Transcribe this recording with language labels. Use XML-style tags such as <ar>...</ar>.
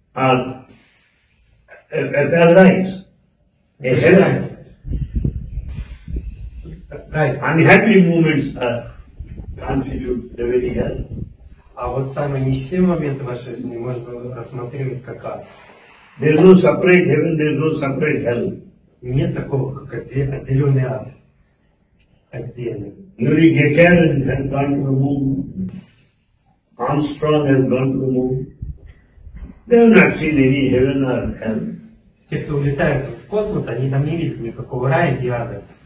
<en>Are a paradise. Heaven. Unhappy moments constitute the very hell.</en> <ru>А вот самые несчастные моменты вашей жизни можно рассматривать как ад.</ru> <en>There is no separate heaven, there is no separate hell.</en> <ru>Нет такого, как отделенный ад. Отдельный.</ru> <en>Yuri Gagarin has gone to the moon. Armstrong has gone to the moon. They have not seen any heaven or hell.</en> <ru>Те, кто улетают в космос, они там не видят никакого рая и ада.</ru>